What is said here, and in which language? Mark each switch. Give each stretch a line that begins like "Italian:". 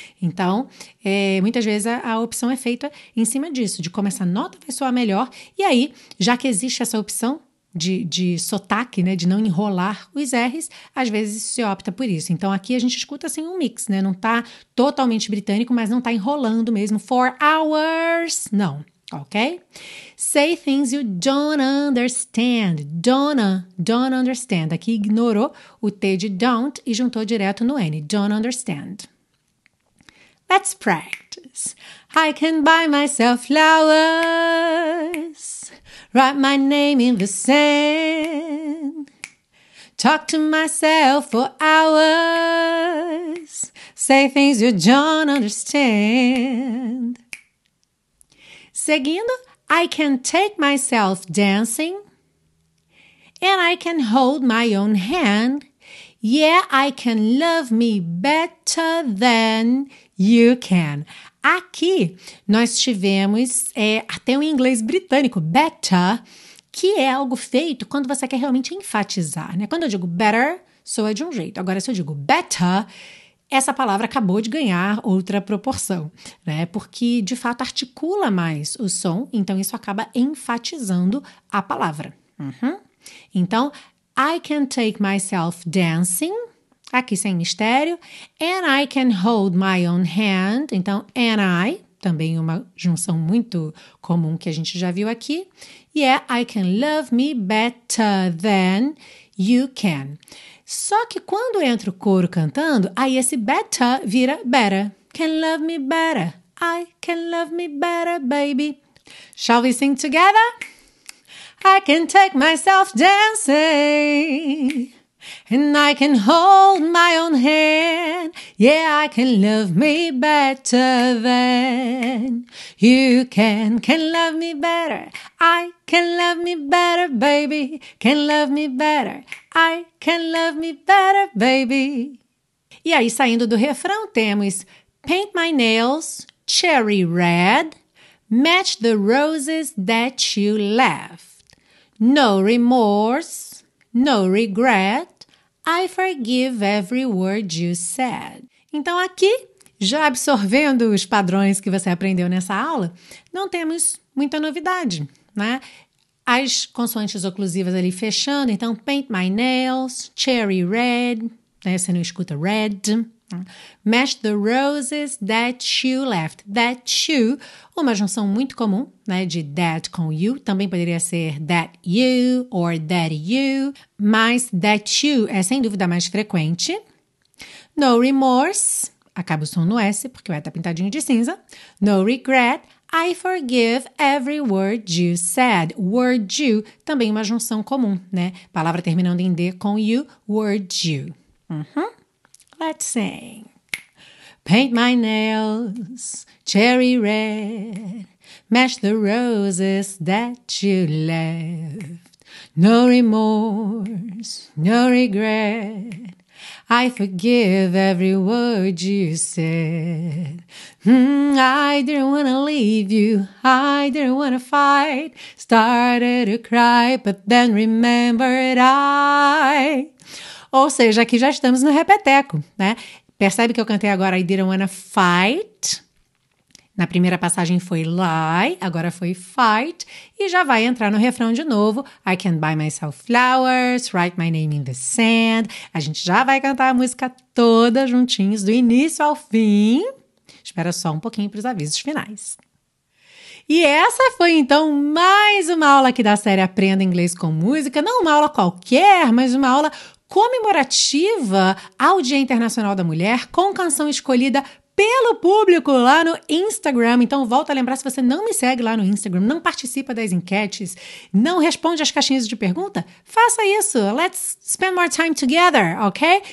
Portuguese: Então, muitas vezes a opção é feita em cima disso, de como essa nota vai soar melhor. E aí, já que existe essa opção de sotaque, né, de não enrolar os R's, às vezes se opta por isso. Então, aqui a gente escuta assim um mix, né? Não tá totalmente britânico, mas não tá enrolando mesmo.
English: 4 hours, não, ok? Say things you don't understand. Don't understand.
Portuguese: Aqui ignorou o T de don't e juntou direto no N.
English: Don't understand. Let's practice. I can buy myself flowers. Write my name in the sand. Talk to myself for hours. Say things you don't understand. Seguindo, I can take myself dancing. And I can hold my own hand. Yeah, I can love me better than you can.
Portuguese: Aqui, nós tivemos até um inglês britânico, better, que é algo feito quando você quer realmente enfatizar, né? Quando eu digo better, soa de um jeito. Agora, se eu digo better, essa palavra acabou de ganhar outra proporção, né? Porque, de fato, articula mais o som, então isso acaba enfatizando a palavra. Uhum.
English: Então, I can take myself dancing.
Portuguese: Aqui sem mistério.
English: And I can hold my own hand.
Portuguese: Então, and I, também uma junção muito comum que a gente já viu aqui.
English: Yeah, I can love me better than you can.
Portuguese: Só que quando entra o coro cantando, aí esse better vira better.
English: Can love me better. I can love me better, baby. Shall we sing together? I can take myself dancing. And I can hold my own hand. Yeah, I can love me better than you can love me better. I can love me better, baby. Can love me better. I can love me better, baby.
Portuguese: E aí, saindo do refrão, temos
English: paint my nails cherry red, match the roses that you left. No remorse, no regret. I forgive every word you said.
Portuguese: Então, aqui, já absorvendo os padrões que você aprendeu nessa aula, não temos muita novidade, né? As consoantes oclusivas ali fechando, então,
English: paint my nails, cherry red,
Portuguese: né? Você não escuta red.
English: Match the roses that you left.
Portuguese: That you, uma junção muito comum, né, de that com you. Também poderia ser that you or that you. Mas that you é, sem dúvida, mais frequente.
English: No remorse.
Portuguese: Acaba o som no S, porque vai estar pintadinho de cinza.
English: No regret. I forgive every word you said.
Portuguese: Word you, também uma junção comum, né? Palavra terminando em D com you.
English: Word you. Uhum. Let's sing. Paint my nails cherry red. Match the roses that you left. No remorse, no regret. I forgive every word you said. I didn't want to leave you. I didn't want to fight. Started to cry, but then remembered I...
Portuguese: Ou seja, aqui já estamos no repeteco, né? Percebe que eu cantei agora
English: I didn't wanna fight,
Portuguese: Na primeira passagem foi lie, agora foi fight, e já vai entrar no refrão de novo.
English: I can buy myself flowers, write my name in the sand.
Portuguese: A gente já vai cantar a música toda juntinhos, do início ao fim. Espera só um pouquinho para os avisos finais. E essa foi, então, mais uma aula aqui da série Aprenda Inglês com Música. Não uma aula qualquer, mas uma aula comemorativa ao Dia Internacional da Mulher, com canção escolhida pelo público lá no Instagram. Então, volto a lembrar, se você não me segue lá no Instagram, não participa das enquetes, não responde às caixinhas de pergunta, faça isso.
English: Let's spend more time together, ok?